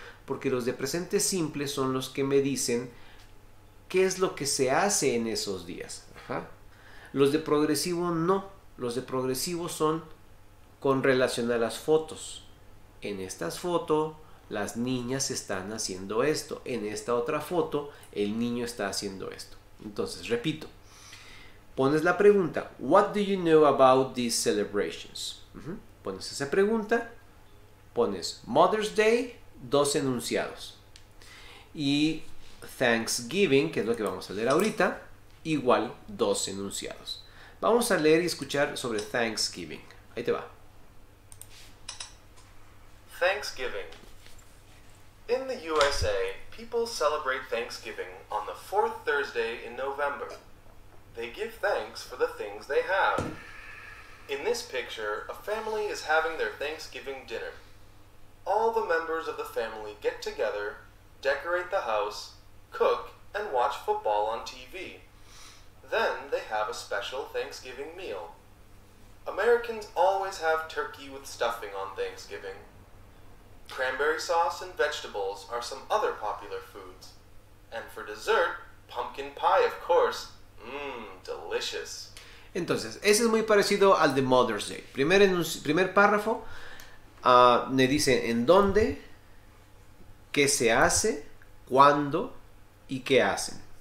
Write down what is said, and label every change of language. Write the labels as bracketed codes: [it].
[es] Porque los de presente simple son los que me dicen qué es lo que se hace en esos días. Ajá. Los de progresivo no. Los de progresivo son con relación a las fotos. En estas fotos las niñas están haciendo esto. En esta otra foto el niño está haciendo esto. Entonces, repito. Pones la pregunta, [en] what do you know about these celebrations? [es] Pones esa pregunta, pones Mother's Day, dos enunciados. Y Thanksgiving, que es lo que vamos a leer ahorita, igual dos enunciados. Vamos a leer y escuchar sobre Thanksgiving. Ahí te va. [en] Thanksgiving. In the USA, people celebrate Thanksgiving on the fourth Thursday in November. They give thanks for the things they have. In this picture, a family is having their Thanksgiving dinner. All the members of the family get together, decorate the house, cook, and watch football on TV. Then they have a special Thanksgiving meal. Americans always have turkey with stuffing on Thanksgiving. Cranberry sauce and vegetables are some other popular foods. And for dessert, pumpkin pie, of course. Delicious. [es] Entonces, ese es muy parecido al de Mother's Day. Primer párrafo, me dice en dónde, qué se hace, cuándo y qué hacen.